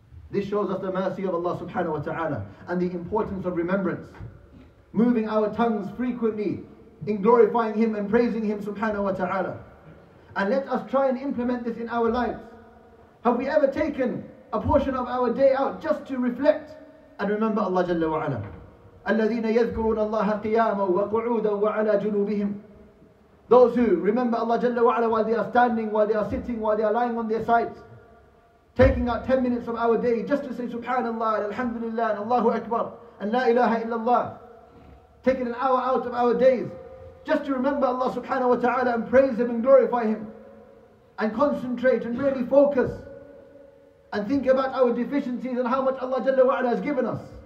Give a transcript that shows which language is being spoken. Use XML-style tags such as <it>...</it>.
<en>This shows us the mercy of Allah subhanahu wa ta'ala and the importance of remembrance. Moving our tongues frequently in glorifying Him and praising Him subhanahu wa ta'ala. And let us try and implement this in our lives. Have we ever taken a portion of our day out just to reflect</en> <ar>أن منبأ الله جل وعلا الذين يذكرون الله قياما وقعودا وعلى جنوبهم.</ar> <en>Those who remember Allah Jalla wa'ala while they are standing, while they are sitting, while they are lying on their sides, taking out 10 minutes of our day just to say Subhanallah and Alhamdulillah and Allahu Akbar and La ilaha illallah. Taking an hour out of our days just to remember Allah Subhanahu wa ta'ala and praise Him and glorify Him and concentrate and really focus and think about our deficiencies and how much Allah Jalla wa'ala has given us.</en>